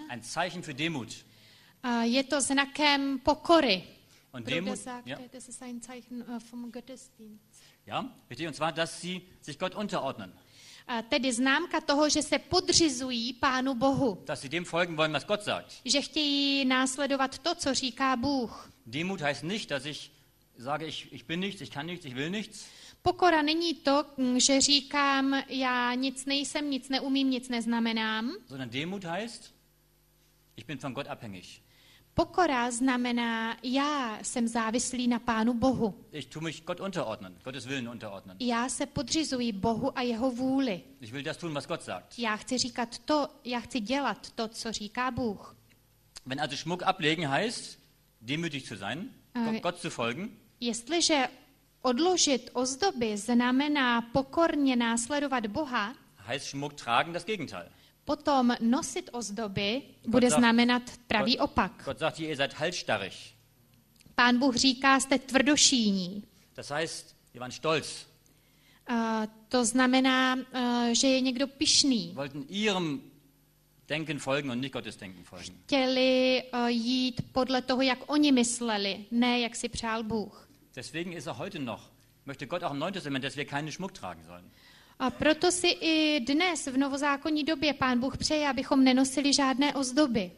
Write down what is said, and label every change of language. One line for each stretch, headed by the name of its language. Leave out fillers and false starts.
German: Ja, ein Zeichen für Demut.
Czech: Je to znakem pokory.
German: Und Demut, sagte, ja. Das ist ein Zeichen vom Gottesdienst. Ja, richtig, und zwar, dass sie sich Gott unterordnen.
Czech: Tedy známka toho, že se podřizují Pánu Bohu.
German: Dass sie dem folgen wollen, was Gott sagt.
Czech: Že chtějí následovat to, co říká Bůh.
German: Demut heißt nicht, dass ich sage, ich bin nichts, ich kann nichts, ich will nichts.
Czech: Pokora není to, že říkám, já nic nejsem, nic neumím, nic neznamenám.
German: Sondern Demut heißt, ich bin von Gott abhängig.
Czech: Pokora znamená, já jsem závislý na Pánu Bohu.
German: Ich tue mich Gott unterordnen, Gottes Willen unterordnen.
Czech: Já se podřizuji Bohu a jeho vůli.
German: Ich will das tun, was Gott sagt.
Czech: Já chci dělat to, co říká Bůh.
German: Wenn also Schmuck ablegen heißt, demütig zu sein, Gott zu folgen.
Czech: Jestliže odložit ozdoby znamená pokorně následovat Boha,
German: heißt Schmuck tragen das Gegenteil.
Czech: Potom nosit ozdoby bude znamenat pravý opak.
German: Gott sagt, ihr seid halsstarrig.
Czech: Pán Bůh říká, jste tvrdošíní.
German: Das heißt, ihr wart stolz.
Czech: To znamená, že je někdo pyšný.
German: Wollten ihrem denken folgen und nicht Gottes denken folgen.
Czech: Chtěli jít podle toho, jak oni mysleli, ne jak si přál Bůh.
German: Deswegen ist er heute noch, möchte Gott auch im Neuen Testament, dass wir keinen Schmuck tragen sollen.
Czech: A proto si i dnes v novozákonní době Pán Bůh přeje, abychom nenosili žádné ozdoby.